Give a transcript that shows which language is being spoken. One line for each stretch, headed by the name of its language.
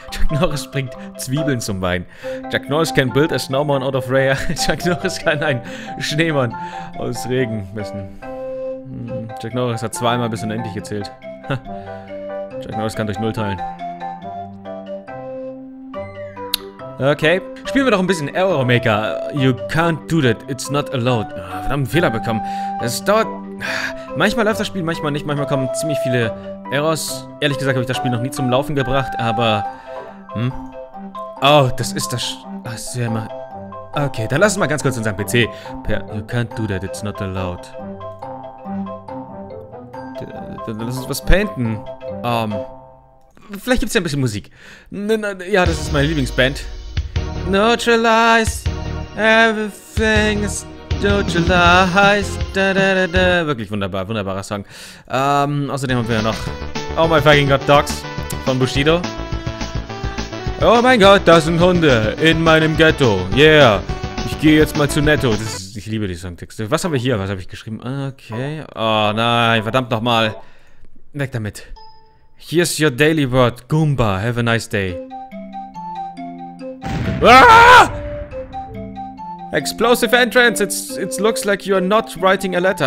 German: Chuck Norris bringt Zwiebeln zum Wein.
English: Chuck Norris can build a snowman out of rain.
German: Chuck Norris kann einen Schneemann aus Regen messen. Chuck Norris hat zweimal bis unendlich gezählt. Chuck Norris kann durch Null teilen. Okay. Spielen wir doch ein bisschen Error Maker.
English: You can't do that. It's not allowed.
German: Verdammt, einen Fehler bekommen. Es dauert. Manchmal läuft das Spiel, manchmal nicht. Manchmal kommen ziemlich viele Errors. Ehrlich gesagt habe ich das Spiel noch nie zum Laufen gebracht, aber. Oh, das ist das. Okay, dann lass uns mal ganz kurz unseren PC.
English: You can't do that. It's not allowed.
German: Dann lass uns was painten. Vielleicht gibt's ja ein bisschen Musik. Ja, das ist meine Lieblingsband.
English: Neutralize. Everything is neutralized.
German: Wirklich wunderbar, wunderbarer Song. Außerdem haben wir ja noch Oh My Fucking God Dogs von Bushido. Oh mein Gott, da sind Hunde in meinem Ghetto. Yeah. Ich gehe jetzt mal zu Netto. Ich liebe die Songtexte. Was haben wir hier? Was habe ich geschrieben? Okay. Oh nein, verdammt nochmal. Weg damit.
English: Here's your daily word, Goomba. Have a nice day. Ah! Explosive entrance. It looks like you're not writing a letter.